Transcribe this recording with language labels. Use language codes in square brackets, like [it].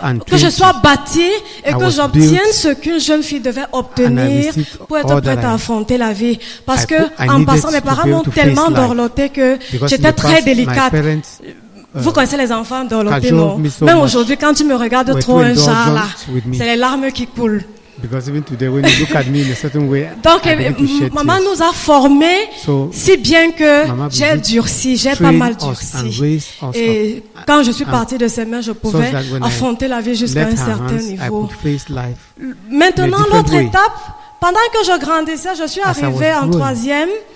[fr] Que je sois bâtie et que j'obtienne ce qu'une jeune fille devait obtenir pour être prête à affronter la vie. Parce que, en passant, mes parents m'ont tellement dorloté que j'étais très délicate. Vous connaissez les enfants dorlotés, non? Même aujourd'hui, quand tu me regardes trop un char, là, c'est les larmes qui coulent. [en] Because even today, when you look at me in a certain way, [fr] donc, maman nous a formés si bien que j'ai durci, j'ai pas mal durci. Et quand je suis partie de ses mains, je pouvais affronter la vie jusqu'à un certain niveau. Maintenant, l'autre étape, pendant que je grandissais, je suis arrivée en troisième.